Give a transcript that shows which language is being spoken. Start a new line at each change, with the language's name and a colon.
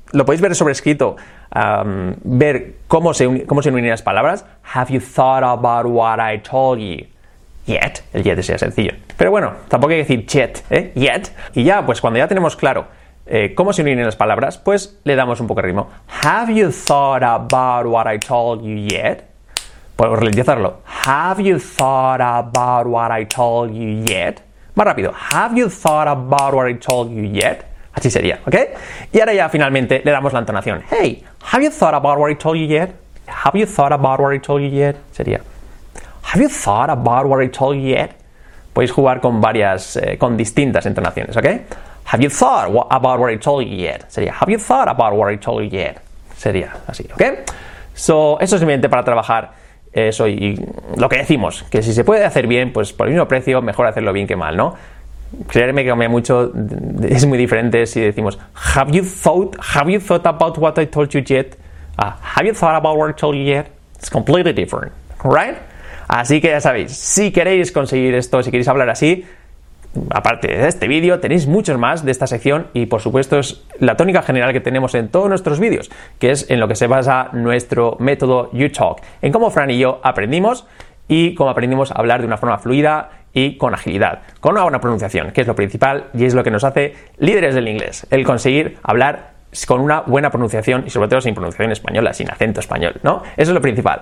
Spanish: lo podéis ver sobre escrito, ver cómo se unen las palabras.
English: Have you thought about what I told you?
Spanish: Yet. El yet sea sencillo. Pero bueno, tampoco hay que decir yet, ¿eh? Yet. Y ya, pues cuando ya tenemos claro cómo se unen las palabras, pues le damos un poco de ritmo.
English: Have you thought about what I told you yet?
Spanish: Podemos ralentizarlo.
English: Have you thought about what I told you yet?
Spanish: Más rápido.
English: Have you thought about what I told you yet?
Spanish: Así sería, ¿ok? Y ahora ya finalmente le damos la entonación.
English: Hey, have you thought about what I told you yet? Have you thought about what I told you yet?
Spanish: Sería.
English: Have you thought about what I told you yet?
Spanish: Podéis jugar con varias, con distintas entonaciones, ¿ok?
English: Have you thought about what I told you yet?
Spanish: Sería.
English: Have you thought about what I told you yet?
Spanish: Sería así, ¿ok? So, eso es simplemente para trabajar eso y lo que decimos, que si se puede hacer bien, pues por el mismo precio, mejor hacerlo bien que mal, ¿no? Creerme que cambia mucho, es muy diferente si decimos
English: Have you thought about what I told you yet? Have you thought about what I told you yet? It's completely different, right?
Spanish: Así que ya sabéis, si queréis conseguir esto, si queréis hablar así, aparte de este vídeo, tenéis muchos más de esta sección y por supuesto es la tónica general que tenemos en todos nuestros vídeos, que es en lo que se basa nuestro método YouTalk, en cómo Fran y yo aprendimos y cómo aprendimos a hablar de una forma fluida y con agilidad, con una buena pronunciación, que es lo principal y es lo que nos hace líderes del inglés, el conseguir hablar con una buena pronunciación y sobre todo sin pronunciación española, sin acento español, ¿no? Eso es lo principal.